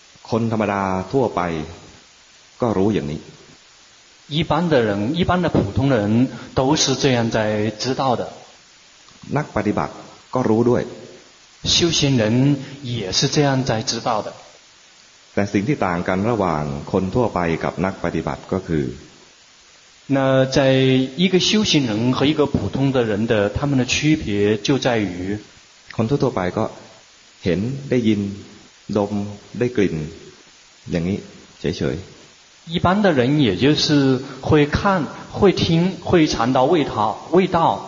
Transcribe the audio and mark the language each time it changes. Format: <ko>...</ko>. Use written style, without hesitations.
<th>คนธรรมดาทั่วไปก็รู้อย่างนี้</th> <zh>一般的人一般的普通人都是这样在知道的</zh> <th>นักปฏิบัติก็รู้ด้วย</th> <zh>修行人也是这样在知道的</zh> <th>แต่สิ่งที่ต่างกันระหว่างคนทั่วไปกับนักปฏิบัติก็คือ</th> <zh>那在一个修行人和一个普通的人的他们的区别就在于</zh> <th>คนทั่วไปก็เห็นได้ยินดมได้กลิ่นอย่างนี้เฉย</th> <zh>ๆ一般的人也就是会看会听会尝到味道味道</zh>